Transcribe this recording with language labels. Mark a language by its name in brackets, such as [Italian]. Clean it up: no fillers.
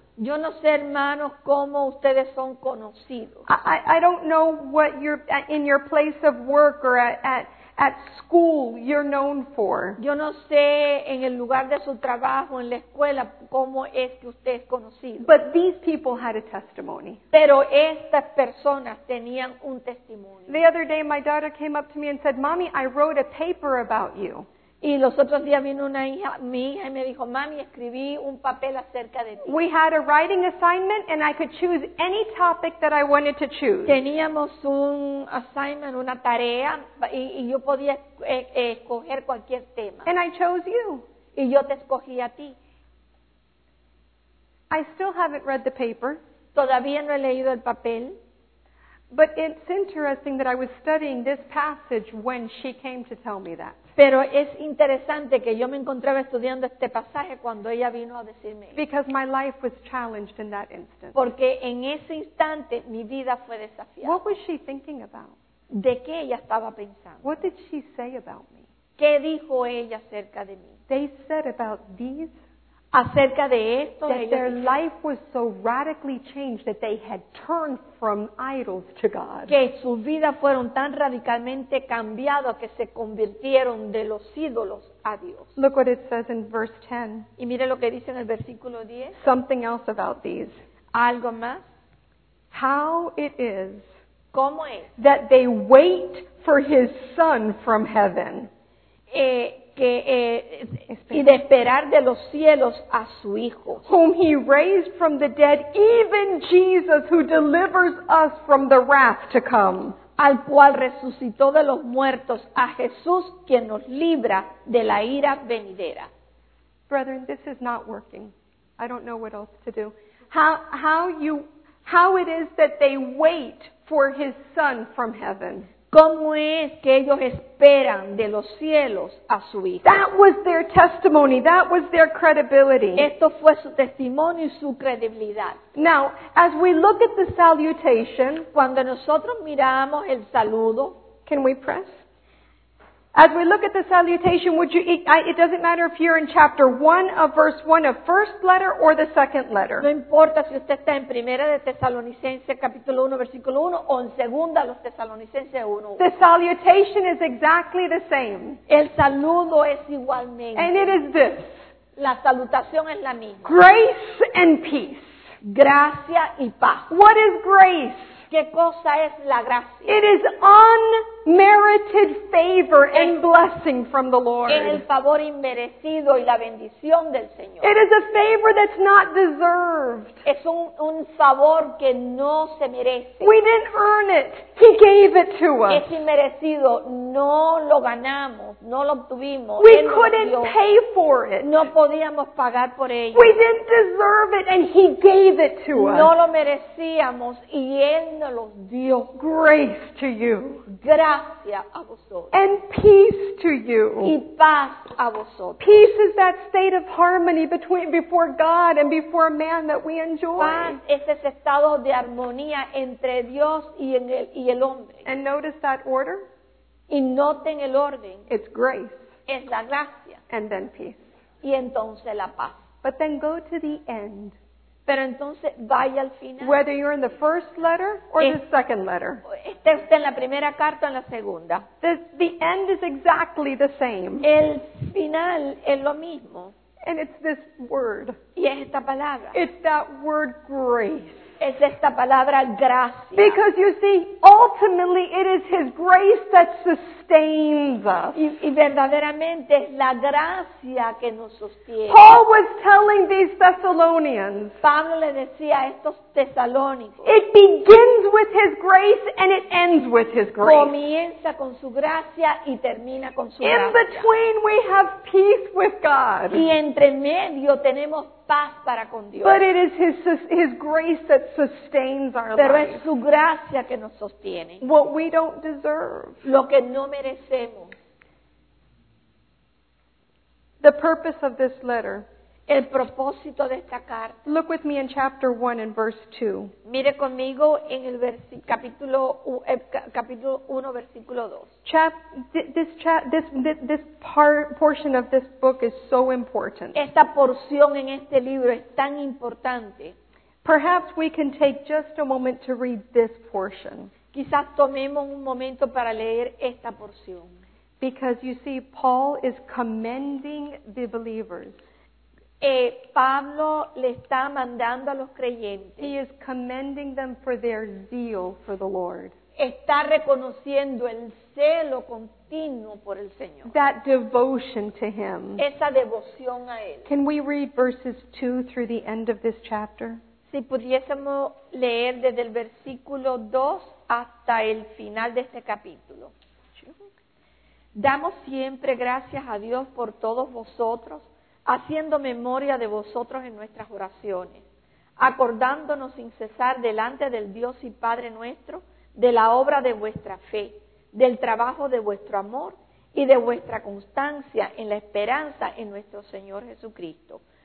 [Spanish] Yo no sé, hermanos, cómo ustedes son conocidos. [English] I don't know what you're in your place of work or at school you're known for. [Spanish] Yo no sé en el lugar de su trabajo, en la escuela, cómo es que usted es conocido. [English] But these people had a testimony. [Spanish] Pero estas personas tenían un testimonio. [English] The other day my daughter came up to me and said, Mommy, I wrote a paper about you. [Spanish] Y los otros días vino una hija, mi hija, y me dijo, Mami, escribí un papel acerca de ti. [English] We had a writing assignment and I could choose any topic that I wanted to choose. [Spanish] Teníamos un assignment, una tarea, y yo podía escoger cualquier tema. [English] And I chose you. [Spanish] Y yo te escogí a ti. [English] I still haven't read the paper. [Spanish] Todavía no he leído el papel. [English] But it's interesting that I was studying this passage when she came to tell me that. [Spanish] Pero es interesante que yo me encontraba estudiando este pasaje cuando ella vino a decirme. [English] Because my life was challenged in that instant. [Spanish] Porque en ese instante mi vida fue desafiada. [English] What was she thinking about? [Spanish] ¿De qué ella estaba pensando? [English] What did she say about me? [Spanish] ¿Qué dijo ella acerca de mí? [English] They said about these. [Spanish] Acerca de esto, [English] that their life was so radically changed that they had turned from idols to God. [Spanish] Que sus vidas fueron tan radicalmente cambiadas que se convirtieron de los ídolos a Dios. [English] Look what it says in verse 10. [Spanish] Y mire lo que dice en el versículo 10. [English] Something else about these. [Spanish] Algo más. [English] How it is. [Spanish] ¿Cómo es? [English] That they wait for his son from heaven. [Spanish] Y de esperar de los cielos a su Hijo. [English] Whom he raised from the dead, even Jesus, who delivers us from the wrath to come. [Spanish] Al cual resucitó de los muertos a Jesús, quien nos libra de la ira venidera. [English] Brethren, this is not working. I don't know what else to do. How it is that they wait for his son from heaven. [Spanish] ¿Cómo es que ellos esperan de los cielos a su Hijo? [English] That was their testimony. That was their credibility. [Spanish] Esto fue su testimonio y su credibilidad. [English] Now, as we look at the salutation, [Spanish] cuando nosotros miramos el saludo, [English] can we press? As we look at the salutation, it doesn't matter if you're in chapter 1 of verse 1 of first letter or the second letter. [Spanish] No importa si usted está en primera de Tesalonicenses capítulo 1 versículo 1 o en segunda los Tesalonicenses 1. [English] The salutation is exactly the same. [Spanish] El saludo es igualmente. [English] And it is this. [Spanish] La salutación es la misma. [English] Grace and peace. [Spanish] Gracia y paz. [English] What is grace? [Spanish] ¿Qué cosa es la gracia? [English] It is unmerited favor and blessing from the Lord. [Spanish] Es el favor inmerecido y la bendición del Señor. [English] It is a favor that's not deserved. [Spanish] Es un favor que no se merece. [English] We didn't earn it. He gave it to us. [Spanish] Es inmerecido. No lo ganamos. No lo obtuvimos. [English] We couldn't pay for it. [Spanish] No podíamos pagar por ello. [English] We didn't deserve it and He gave it to us. [Spanish] No lo merecíamos y Él nos lo dio. [English] Grace to you. [Spanish] Gracia a vosotros. [English] And peace to you. [Spanish] Y paz a vosotros. [English] Peace is that state of harmony between before God and before man that we enjoy. [Spanish] Paz es ese estado de armonía entre Dios y el hombre. [English] And notice that order. [Spanish] Y noten el orden. [English] It's grace. [Spanish] Es la gracia. [English] And then peace. [Spanish] Y entonces la paz. [English] But then go to the end. [Spanish] Pero entonces vaya al final. [English] Whether you're in the first letter or the second letter. [Spanish] Esté usted en la primera carta o en la segunda. [English] The end is exactly the same. [Spanish] El final es lo mismo. [English] And it's this word. [Spanish] Y es esta palabra. [English] It's that word grace. [Spanish] Es esta palabra gracia. [English] Because you see, ultimately it is His grace that sustains us. [Spanish] Y verdaderamente es la gracia que nos sostiene. [English] Paul was telling these Thessalonians. [Spanish] Pablo le decía a estos tesalónicos. [English] It begins with His grace and it ends with His grace. [Spanish] Comienza con su gracia y termina con su gracia. [English] In between we have peace with God. [Spanish] Y entre medio tenemos paz para con Dios. [English] But it is his grace that sustains our [Spanish] Pero [English] life. [Spanish] Pero es su gracia que nos sostiene. [English] What we don't deserve. [Spanish] Lo que no merecemos. [English] The purpose of this letter. [Spanish] El propósito de esta carta. [English] Look with me in chapter 1 and verse 2. [Spanish] Mire conmigo en el capítulo 1, versículo 2. [English] This portion of this book is so important. [Spanish] Esta porción en este libro es tan importante. [English] Perhaps we can take just a moment to read this portion. [Spanish] Quizás tomemos un momento para leer esta porción. [English] Because you see, Paul is commending the believers. [Spanish] Pablo le está mandando a los creyentes. [English] He is commending them for their zeal for the Lord. [Spanish] Está reconociendo el celo continuo por el Señor. [English] That devotion to Him. [Spanish] Esa devoción a Él. [English] Can we read verses 2 through the end of this chapter? [Spanish] Si pudiésemos leer desde el versículo 2 hasta el final de este capítulo. Damos siempre gracias a Dios por todos vosotros, haciendo memoria de vosotros en nuestras oraciones, acordándonos sin cesar delante del Dios y Padre nuestro de la obra de vuestra fe, del trabajo de vuestro amor y de vuestra constancia en la esperanza en nuestro Señor Jesucristo.